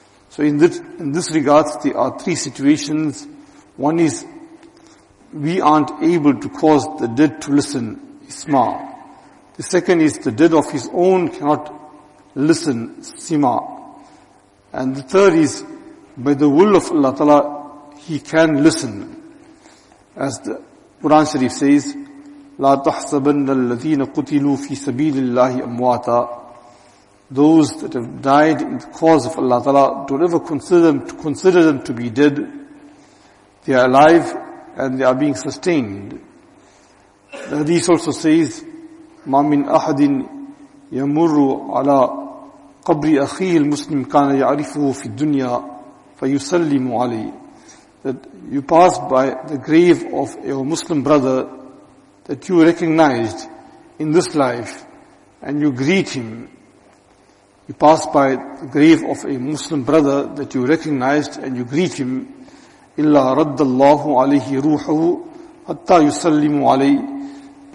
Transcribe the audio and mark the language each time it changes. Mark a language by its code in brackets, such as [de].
[en] So in this regards, there are three situations. One is, we aren't able to cause the dead to listen, isma. The second is, the dead of his own cannot listen, sima. And the third is, by the will of Allah Ta'ala, he can listen. As the Quran Sharif says, [ar] لَا تَحْسَبَنَّ الَّذِينَ قُتِلُوا فِي سَبِيلِ اللَّهِ أَمْوَاتًا. [en] Those that have died in the cause of Allah Ta'ala, don't ever consider them to be dead. They are alive and they are being sustained. The hadith also says, [ar] مَا مِنْ أَحَدٍ يَمُرُّ عَلَىٰ قَبْرِ أَخِيهِ الْمُسْلِمِ كَانَ يَعْرِفُهُ فِي الدُّنْيَا فَيُسَلِّمُ عَلَيْهِ. [en] That you pass by the grave of your Muslim brother that you recognized in this life, and you greet him. You pass by the grave of a Muslim brother that you recognized, and you greet him. [ar] إِلَّا رَدَّ اللَّهُ عَلَيْهِ رُوحُهُ حَتَّى يُسَلِّمُ عَلَيْهِ.